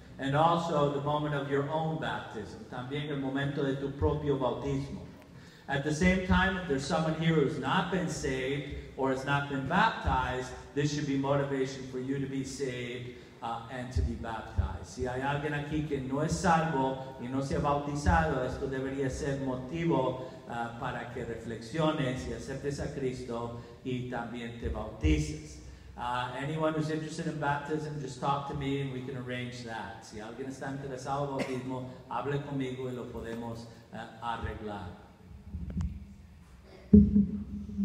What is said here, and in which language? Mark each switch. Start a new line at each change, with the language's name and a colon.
English: And also the moment of your own baptism.
Spanish: También el momento de tu propio bautismo.
English: At the same time, if there's someone here who's not been saved or has not been baptized, this should be motivation for you to be saved and to be baptized.
Spanish: Si hay alguien aquí que no es salvo y no se ha bautizado, esto debería ser motivo para que reflexiones y aceptes a Cristo y también te bautices.
English: Anyone who's interested in baptism, just talk to me and we can arrange that.
Spanish: Si alguien está interesado en bautismo, hable conmigo y lo podemos arreglar.